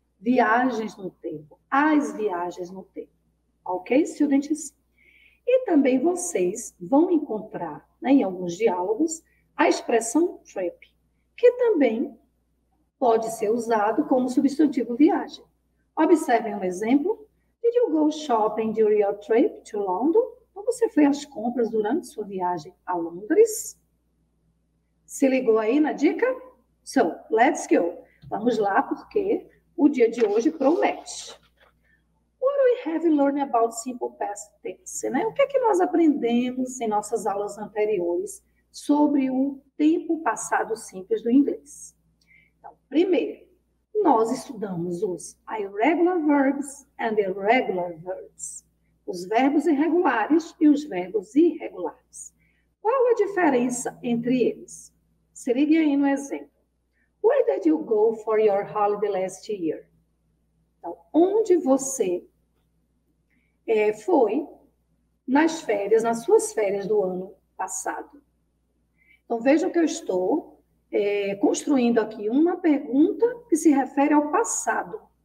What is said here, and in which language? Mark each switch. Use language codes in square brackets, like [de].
[pt] Viagens no tempo. As viagens no tempo. [en] Ok, students? [pt] E também vocês vão encontrar, né, em alguns diálogos, a expressão trip, que também pode ser usado como substantivo viagem. Observem um exemplo. [en] Did you go shopping during your trip to London? [pt] Ou você foi às compras durante sua viagem a Londres? Se ligou aí na dica? [en] So, let's go. [pt] Vamos lá, porque o dia de hoje promete. [en] What we have learned about simple past tense, né? [pt] O que é que nós aprendemos em nossas aulas anteriores sobre o tempo passado simples do inglês? Então, primeiro, nós estudamos os irregular verbs and irregular verbs, os verbos irregulares e os verbos irregulares. Qual a diferença entre eles? Se ligue aí no exemplo. [en] Where did you go for your holiday last year? [pt] Então, onde você foi nas férias, nas suas férias do ano passado? Então, veja que eu estou construindo aqui uma pergunta que se refere ao passado.